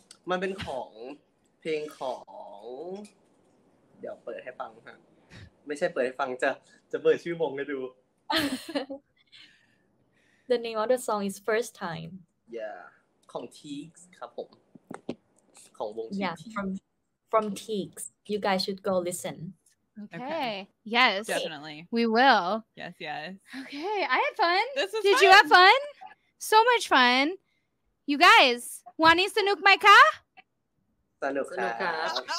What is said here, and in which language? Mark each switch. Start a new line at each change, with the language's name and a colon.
Thai: มันเป็นของเพลงของเดี๋ยวเปิดให้ฟังฮะไม่ใช่เปิดให้ฟังจะเปิดชื่อวงให้ดู
English: The name of the song is First Time
Thai: Yeah ของ Teeks ครับผมของวง Teeks
English: Yeah from Teeks You guys should go listen Okay Yes Definitely We will Yes Okay I had fun This was Did fun. You have fun? So much fun You guys,
Thai: wani sanuk mai ka? Sanuk ka.